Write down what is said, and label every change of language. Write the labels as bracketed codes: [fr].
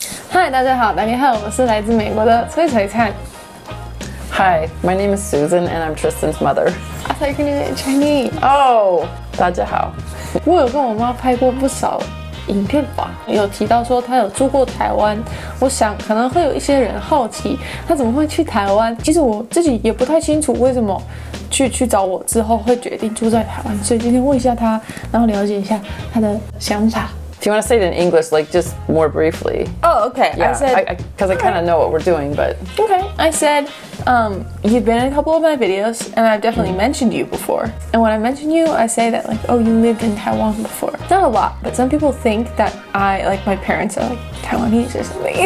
[zh] 嗨，大家好，大家好，我是来自美国的崔璀璨。 [en] Hi, my name is Susan and I'm Tristan's mother. I thought you were going to say Chinese. [zh] Oh, 大家好。我有跟我妈拍过不少影片吧，有提到说她有住过台湾。我想可能会有一些人好奇，她怎么会去台湾？其实我自己也不太清楚为什么去找我之后会决定住在台湾，所以今天问一下她，然后了解一下她的想法。 [en] Do you want to say it in English, like just more briefly? Oh, okay. Yeah, I said, because I kind of know what we're doing, but. Okay. I said, you've been in a couple of my videos, and I've definitely mentioned you before. And when I mention you, I say that, like, oh, you lived in Taiwan before. Not a lot, but some people think that I, like, my parents are, like, Taiwanese or something.